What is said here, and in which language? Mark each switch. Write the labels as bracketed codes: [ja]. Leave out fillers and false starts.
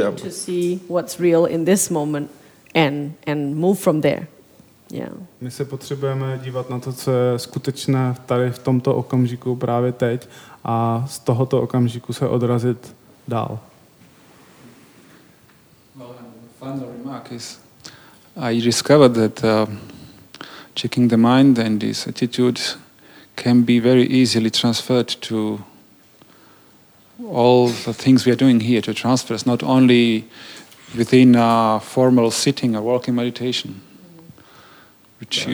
[en] see what's real in this moment and move from there. Yeah. [cs] My se potřebujeme dívat na to, co je skutečné tady v tomto okamžiku právě teď a z tohoto okamžiku se odrazit dál. [en] Well, final remark is I discovered that checking the mind and this attitude can be very easily transferred to all the things we are doing here, to transfer us, not only within a formal sitting or walking meditation, which yeah.